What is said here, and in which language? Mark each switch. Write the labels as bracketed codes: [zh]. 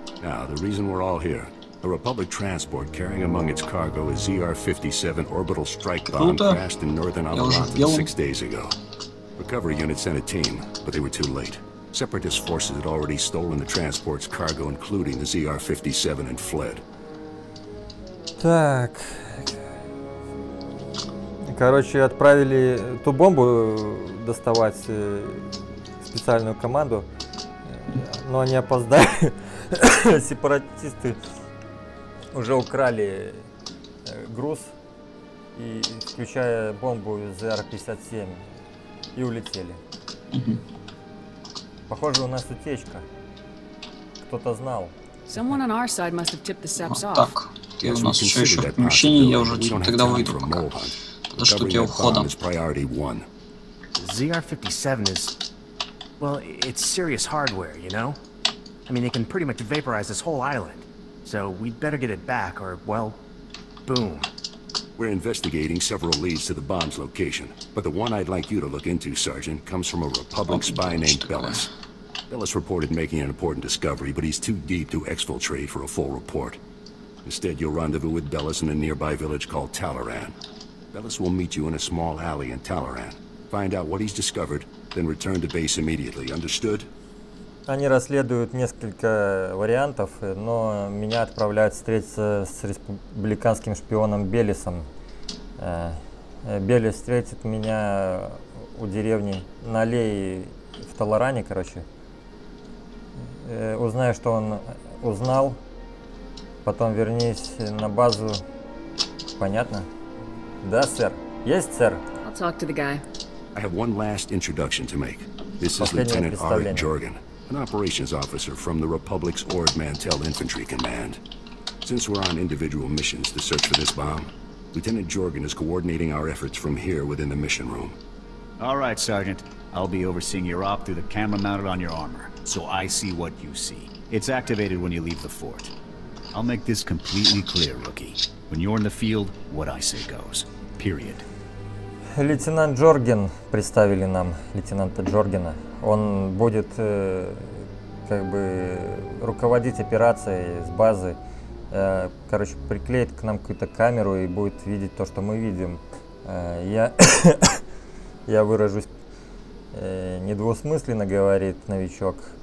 [en] Now, the reason we're all here. A Republic transport carrying among its cargo a ZR-57 orbital strike bomb crashed in northern Alderaan 6 days ago. Recovery unit sent a team, but they were too late. Separatist forces had already stolen the transport's cargo, including the ZR-57, and fled. [ru] Так. Короче, отправили ту бомбу доставать специальную команду, но они опоздали. Сепаратисты уже украли груз, и включая бомбу ZR-57. И улетели. Похоже, у нас утечка. Кто-то знал. [en] Someone on our side must have tipped the Seps off. [ru] Так, ты у нас еще ещё в помещении, я уже тогда выйду пока. Потому что у тебя входа. [en] ZR-57 is... Well, it's serious hardware, you know? I mean, they can pretty much vaporize this whole island. So we'd better get it back, or, well, boom. We're investigating several leads to the bomb's location. But the one I'd like you to look into, Sergeant, comes from a Republic spy named Bellis. Bellis reported making an important discovery, but he's too deep to exfiltrate for a full report. Instead, you'll rendezvous with Bellis in a nearby village called Talaran. Bellis will meet you in a small alley in Talaran. Find out what he's discovered, then return to base immediately. Understood? [ru] Они расследуют несколько вариантов, но меня отправляют встретиться с республиканским шпионом Беллисом. Беллис встретит меня у деревни на аллее в Талоране, короче. Узнаю, что он узнал. Потом вернись на базу. Понятно? Да, сэр. Есть, сэр? [en] I'll talk to the guy. I have one last introduction to make. This is Lieutenant Arik Jorgen, an operations officer from the Republic's Ord Mantell Infantry Command. Since we're on individual missions to search for this bomb, Lieutenant Jorgen is coordinating our efforts from here within the mission room. All right, Sergeant. I'll be overseeing your op through the camera mounted on your armor, so I see what you see. It's activated when you leave the fort. I'll make this completely clear, rookie. When you're in the field, what I say goes. Period. [ru] Лейтенант Джорген, представили нам лейтенанта Джоргена. Он будет как бы руководить операцией с базы. Короче, приклеит к нам какую-то камеру и будет видеть то, что мы видим. Я выражусь недвусмысленно, говорит новичок.